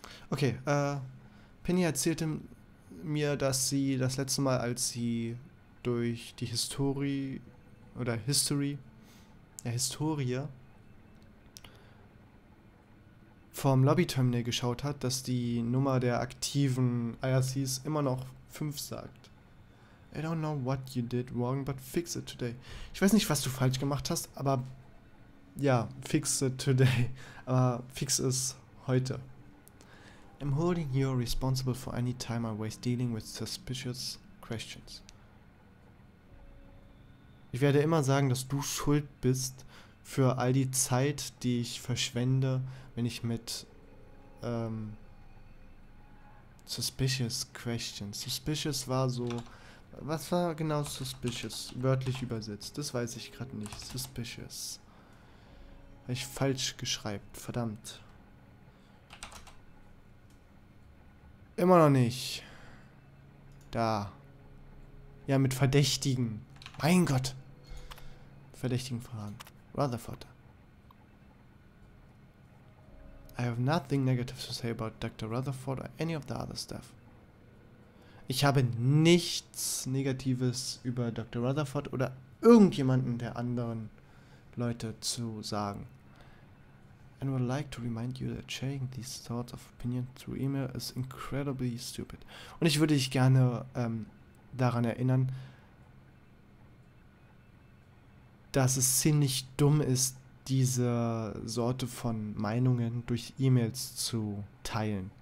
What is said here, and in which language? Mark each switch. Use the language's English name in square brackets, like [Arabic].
[German] Okay, Penny erzählte mir, dass sie das letzte Mal, als sie durch die Historie oder History, ja, Historie vom Lobby-Terminal geschaut hat, dass die Nummer der aktiven IRCs immer noch 5 sagt. [English] I don't know what you did wrong, but fix it today. [German] Ich weiß nicht, was du falsch gemacht hast, aber... Ja, [English] fix it today. [German] Aber fix es heute. [English] I'm holding you responsible for any time I waste dealing with suspicious questions. [German] Ich werde immer sagen, dass du schuld bist für all die Zeit, die ich verschwende, wenn ich mit... [English] suspicious questions. [German] Suspicious war so... Was war genau suspicious? Wörtlich übersetzt. Das weiß ich gerade nicht. Suspicious. Habe ich falsch geschrieben. Verdammt. Immer noch nicht. Da. Ja, mit Verdächtigen. Mein Gott. Verdächtigen Fragen. Rutherford. [English] I have nothing negative to say about Dr. Rutherford or any of the other staff. [German] Ich habe nichts Negatives über Dr. Rutherford oder irgendjemanden der anderen Leute zu sagen. [English] And would like to remind you that sharing these thoughts of opinion through email is incredibly stupid. [German] Und ich würde dich gerne daran erinnern, dass es ziemlich dumm ist, diese Sorte von Meinungen durch E-Mails zu teilen.